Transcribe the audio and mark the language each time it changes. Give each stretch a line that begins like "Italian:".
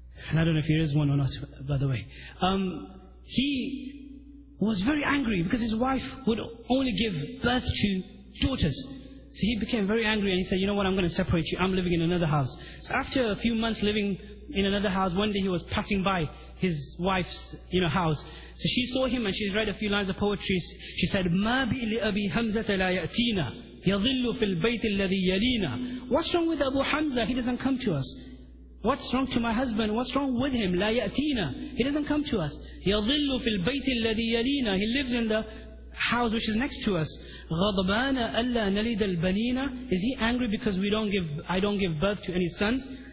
English: And I don't know if he is one or not, by the way. He was very angry because his wife would only give birth to daughters. So he became very angry and he said, you know what, I'm going to separate you. I'm living in another house. So after a few months living in another house, one day he was passing by his wife's, you know, house. So she saw him and she read a few lines of poetry. She said,
Arabic: مَا بِي لِأَبِي هَمْزَةَ لَا يَأْتِينَا يَظِلُّ فِي الْبَيْتِ الَّذِي يَلِينَا.
English: What's wrong with Abu Hamza? He doesn't come to us. What's wrong to my husband? What's wrong with him?
Arabic: لَا يَأْتِينَا.
English: He doesn't come to us.
Arabic: يَظِلُّ فِي الْبَيْتِ الَّذِي يَلِينَا.
English: He lives in the house which is next to us.
Arabic: غَضَبَانَ أَلَّا نَلِدَ الْبَنِينَ.
English: Is he angry because I don't give birth to any sons?